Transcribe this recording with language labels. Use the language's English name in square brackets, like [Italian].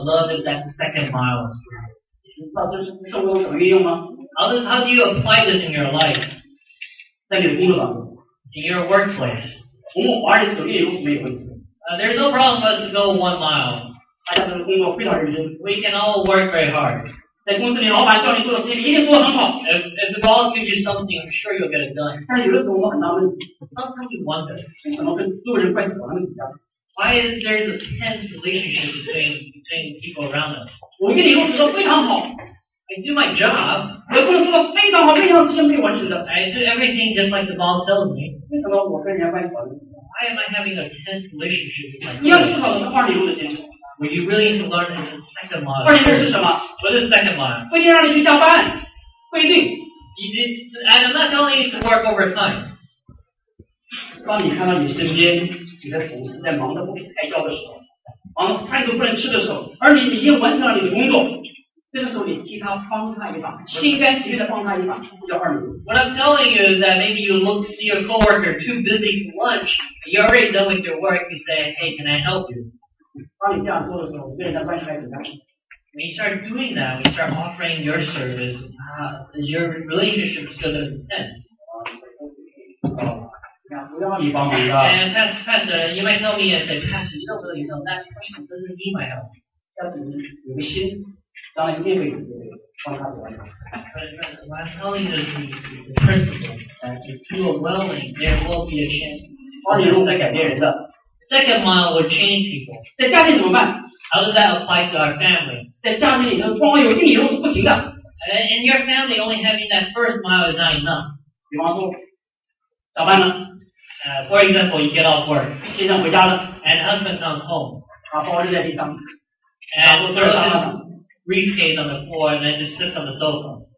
[English] Love is that second mile spirit. [Chinese] 你知道这是生活中怎么运用吗？ [English] How do you apply this in your life? [Chinese] 在你的工作当中。 [English] In your workplace. [Chinese] 我们华人走一里路是没有问题的。 [English] There's no problem for us to go 1 mile. [Chinese] 大家这个工作非常认真。 [English] We can all work very hard. [Chinese] 在公司里老板叫你做的事情一定做得很好。 [English] If the boss gives you something, I'm sure you'll get it done. [Chinese] 但有的时候我们很纳闷。 [English] Sometimes you wonder. [Chinese] 为什么跟做人关系搞那么紧张？ [English] Why is there a tense relationship between people around us? [Chinese] 我跟你工作非常好。 [English] I do my job. [Chinese] 我工作做得非常好，非常事情可以完成的。 [English] I do everything just like the boss tells me. [Chinese] 为什么我跟人家关系好？ [English] Why am I having a tense relationship with my? [Chinese] 你要思考的是二里路的精神。 [English] Well, you really need to learn the second mile. [Chinese] 二里路是什么？ [English] What is second mile? [Chinese] 规定让你去加班，规定。 [English] You did, and I'm not telling you to work overtime. [Chinese] 当你看到你身边。你的同事在忙得不可开交的时候，忙得饭都不能吃的时候，而你已经完成了你的工作，这个时候你替他帮他一把，心甘情愿的帮他一把，不叫二里路。 [English] What I'm telling you is that maybe you look see your coworker too busy for lunch, you're already done with your work, you say, hey, can I help you? 当你这样做的时候，跟人家关系还怎么样？ When you start doing that, when you start offering your service, your relationship is going to end. And Pastor, you might know me and say, Pastor, you don't really know that person, doesn't need my help. But I'm telling you the principle that if you are willing, there will be a chance. Second mile will change people. [Chinese] 在家庭怎么办? [English] How does that apply to our family? [Chinese] 在家庭里头光有一个油是不行的。 [English] In your family, only having that first mile is not enough. [Chinese] 比方说，下班了。 [English] For example, you get off work. [Chinese] 先生回家了。 [English] And husband comes home. [Chinese] 把包扔在地上。 [English] And throws his briefcase on the floor and then just sits on the sofa.